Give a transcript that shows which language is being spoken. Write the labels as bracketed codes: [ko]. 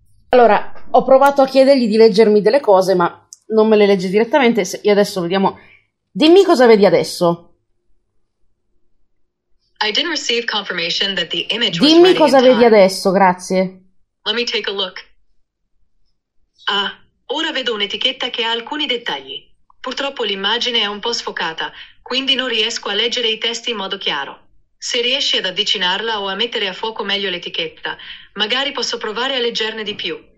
[it] Allora, ho provato a chiedergli di leggermi delle cose, ma non me le legge direttamente. Io adesso vediamo. Dimmi cosa vedi adesso. [en] I didn't receive confirmation that the image was. [it] Dimmi cosa vedi adesso, grazie. [en] Let me take a look. [it] Ora vedo un'etichetta che ha alcuni dettagli. Purtroppo l'immagine è un po' sfocata, quindi non riesco a leggere i testi in modo chiaro. Se riesci ad avvicinarla o a mettere a fuoco meglio l'etichetta, magari posso provare a leggerne di più.